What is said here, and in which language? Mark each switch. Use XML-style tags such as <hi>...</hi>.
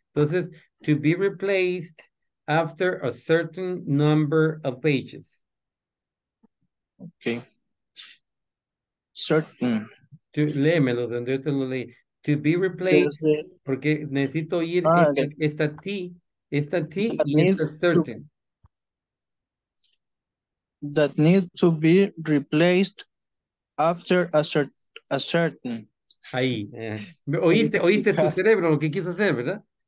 <es>Entonces,</es> <en>to be replaced after a certain number of pages. Okay. Certain.</en> <es>Léemelo, donde yo te lo leí.</es> <en>To be replaced,</en> <es>porque necesito ir esta T y esta certain.</es> <en>That need to be replaced after a certain.</en> <es>Ahí. ¿Oíste tu cerebro lo que quiso hacer, verdad?</es>